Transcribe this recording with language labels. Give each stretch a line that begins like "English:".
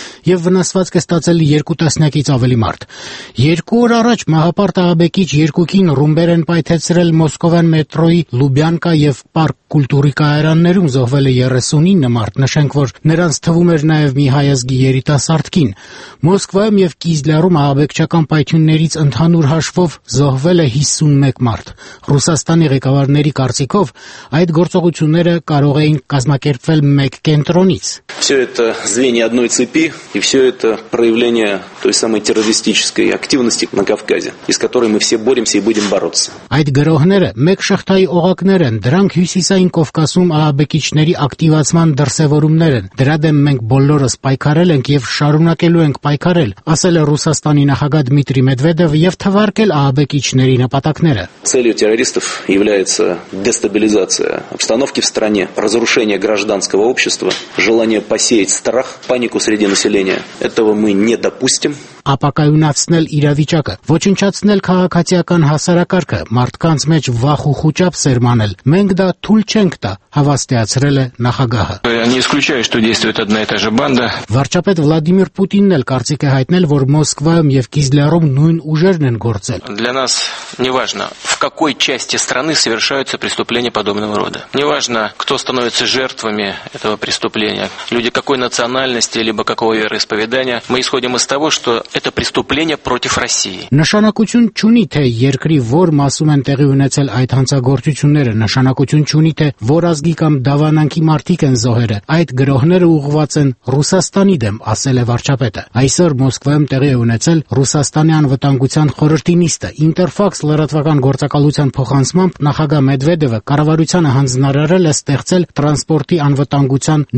Armenian: և վնասվածք է ստացել 2 տասնյակից ավելի մարդ։ 2 օր առաջ մահապարտ ահաբեկիչ 2-ին ռումբեր են պայթեցրել Մոսկովյան մետրոյի Լուբյանկա և Պարկ կուլտուրի կայարաններում, զոհվել է 39 մարդ, նշենք, որ նրանց թվում էր նաև մի հայազգի երիտասարդքին։ Մոսկվայում և Կիզլյարում ահաբեկչական պայթյուններից ընդհանուր հաշվով զոհվել է 51 մարդ։ Ռուսաստանի ղեկավարների կարծիքով այդ գործողությունները կարող էին կազմակերպվել մեկ կենտրոնից։
Russian: Всё это звенья одной цепи и всё это проявление той самой террористической активности на Кавказе, из которой мы все боремся и будем бороться։
Armenian: Այդ գրողները մեկ շղթայի օղակներ են, դրանք հյուսիսային Կովկասում ԱԱԲ-ի ակտիվացման դրսևորումներ են։ Դրա դեմ մենք բոլորս պայքարել ենք եւ շարունակելու ենք պայքարել, ասել է Ռուսաստանի նախագահ Դմիտրի Մեդվեդև եւ թվարկել ԱԱԲ-ի նպատակները։
Russian: Целью террористов является дестабилизация обстановки в стране, разрушение гражданского общества, желание посеять страх, панику среди населения. Этого мы не допустим.
Armenian: Ապակայունացնել իրավիճակը, ոչնչացնել քաղաքացիական հասարակարգը, մարդկանց մեջ վախ ու խուճապ սերմանել։ Մենք դա թույլ չենք տա, հավաստիացրել է նախագահը։
Russian: Не исключаю, что действует одна и та же банда.
Armenian: Վարչապետ Վլադիմիր Պուտինն էլ կարծիք է հայտնել, որ Մոսկվայում եւ Կիզլյարում նույն ուժերն են գործել։
Russian: Для нас неважно, в какой части страны совершаются преступления подобного рода. Неважно, кто становится жертвами этого преступления, люди какой национальности либо какого вероисповедания. Мы исходим из того, что это преступление против России.
Armenian: Նշանակություն չունի, թե երկրի որ մասում են տեղի ունեցել այդ հանցագործությունները, նշանակություն չունի, թե որ ազգի կամ դավանանքի մարդիկ են զոհերը։ Այդ գրողները ուղղված են Ռուսաստանի դեմ, ասել է վարչապետը։ Այսօր Մոսկվայում տեղի ունեցել Ռուսաստանի անվտանգության խորհրդի նիստը, Interfax լրատվական գործակալության փոխանցումը, նախագահ Մեդվեդևը կառավարությանը հանձնարարել է ստեղծել տրանսպորտի անվտանգության